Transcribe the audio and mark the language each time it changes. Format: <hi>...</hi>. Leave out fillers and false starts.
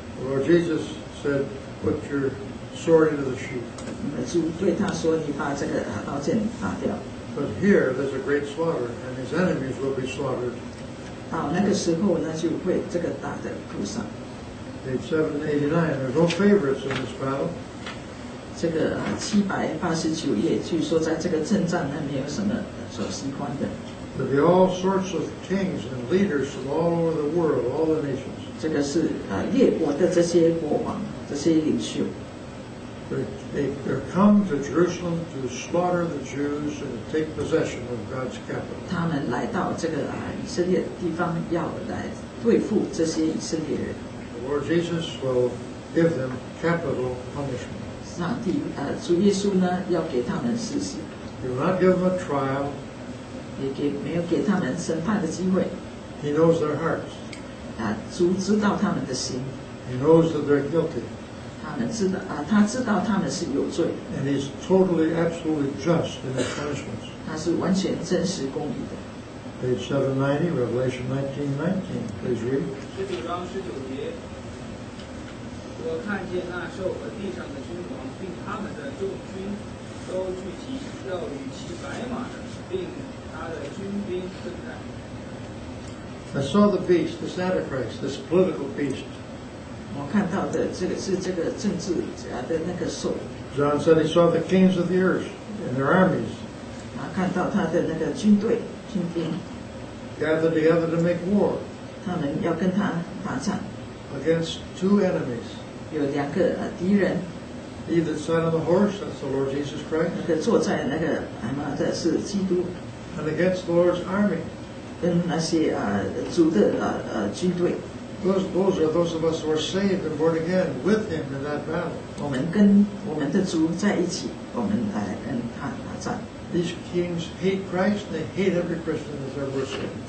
<en>Lord Jesus said, "Put your sword into the sheath."</en> <zh>主对他说：“你把这个刀剑拔掉。</zh> <en>”But here there's a great slaughter, and his enemies will be slaughtered.</en> <zh>到那个时候呢，就会这个大的屠杀。</zh> <en>789, there's no favorites in this battle.</en> <zh>这个789页，据说在这个阵仗呢，没有什么所喜欢的。</zh> <en>There be all sorts of kings and leaders from all over the world, all the nations.</en> <zh>这个是列国的这些国王，这些领袖。</zh> <en>They come to Jerusalem to slaughter the Jews and take possession of God's capital.</en> <zh>他们来到这个以色列地方，要来对付这些以色列人。</zh> <en>The Lord Jesus will give them capital punishment.</en> <zh>主耶稣呢要给他们施行。</zh> <en>He will not give them a trial.</en> <zh>没有给他们审判的机会。</zh> <en>He knows their hearts.</en> <zh>主知道他们的心。</zh> <en>He knows that they're guilty.</en> <zh>他知道他们是有罪。</zh> <en>And he's totally, absolutely just in his punishments.</en> <zh>他是完全真实公义的。</zh> <en>Page 790, Revelation 19:19. Please read.</en> <zh>19:19我看见那兽和地上的君王，并他们的众军，都聚集，要与其白马的，并他的军兵征战。</zh> <en>I saw the beast, this Antichrist, this political beast.</en> <zh>我看到的这个是这个政治家的那个兽。</zh> <en>John said he saw the kings of the earth and their armies.</en> <zh>他看到他的那个军队、军兵。</zh> <en>Gathered together to make war.</en> <zh>他们要跟他打仗。</zh> <en>Against two enemies.</en> <zh>有两个敌人。</zh> <en>He that sat on the horse, that's the Lord Jesus Christ.</en> <zh>那个坐在那个马的是基督。</zh> <en>And against the Lord's army.</en> <zh>跟那些主的军队。</zh> <en>Those are those of us who are saved and born again with him in that battle.</en> <zh>我们跟我们的主在一起，我们来跟他打仗。</zh> <en>These kings hate Christ. They hate every Christian that's ever worshipped.</en>